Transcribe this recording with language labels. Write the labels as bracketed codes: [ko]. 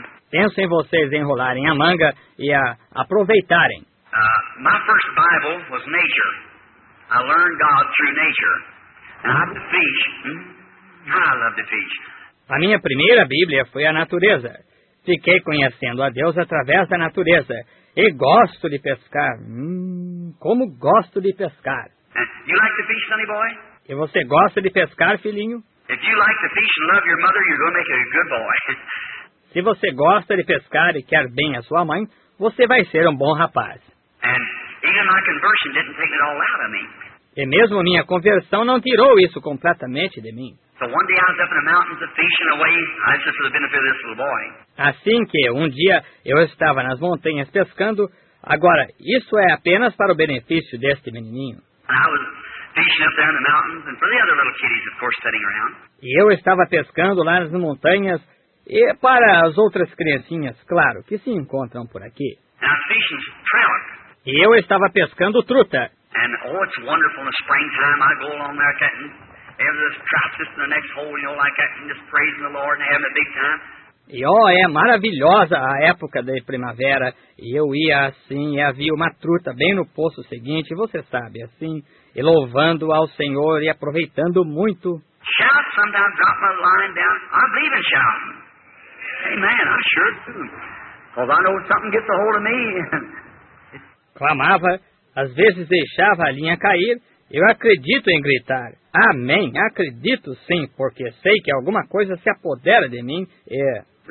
[pt] Penso em vocês enrolarem a manga e a aproveitarem. [en] My first Bible was nature. I learned God through nature. And I love to fish. I love to fish. [pt] A minha primeira Bíblia foi a natureza. Fiquei conhecendo a Deus através da natureza. E gosto de pescar. Como gosto de pescar. [en] You like to fish, sonny boy? [pt] E você gosta de pescar, filhinho? [en] If you like to fish and love your mother, you're going to make a good boy. [pt] Se você gosta de pescar e quer bem a sua mãe, você vai ser um bom rapaz. [en] And even my conversion didn't take it all out of me. [pt] E mesmo minha conversão não tirou isso completamente de mim. [en] So one day I was up in the mountains of fishing away, just for the benefit of this little boy. [pt] Assim que um dia eu estava nas montanhas pescando, agora isso é apenas para o benefício deste menininho. [en] And I was fishing up there in the mountains, and for the other little kiddies, of course, sitting around. [pt] E eu estava pescando lá nas montanhas e para as outras criancinhas, claro, que se encontram por aqui. [en] And I was fishing trout. [pt] E eu estava pescando truta. [en] And oh, it's wonderful in the springtime. I go along there, catching every trout just in the next hole, you know, like that, and just praising the Lord and having a big time. [pt] E oh, é maravilhosa a época de primavera, e eu ia assim, e havia uma truta bem no poço seguinte, você sabe, assim, e louvando ao Senhor e aproveitando muito. [en] Shout sometimes, drop my line down. I believe in shouting. Hey, man, I sure do. Because I know something gets a hold of me. [pt] Clamava, às vezes deixava a linha cair. Eu acredito em gritar, amém, acredito sim, porque sei que alguma coisa se apodera de mim e...